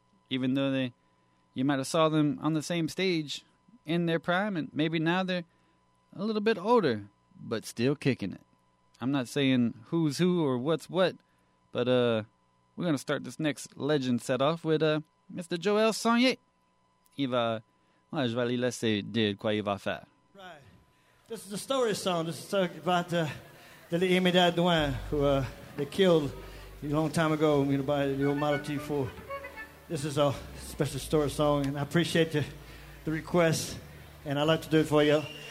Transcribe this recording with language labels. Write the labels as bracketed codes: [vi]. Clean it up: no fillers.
[en] Even though you might have saw them on the same stage in their prime, and maybe now they're a little bit older, but still kicking it. I'm not saying who's who or what's what, but we're going to start this next legend set off with Mr. Joël Sonnier. [fr] Je vais lui laisser dire quoi il va faire. [en] This is a story song. This is a story about the little Amy Dadouin who they killed a long time ago, you know, by the old Model T 4. This is a special story song, and I appreciate the request, and I'd like to do it for you.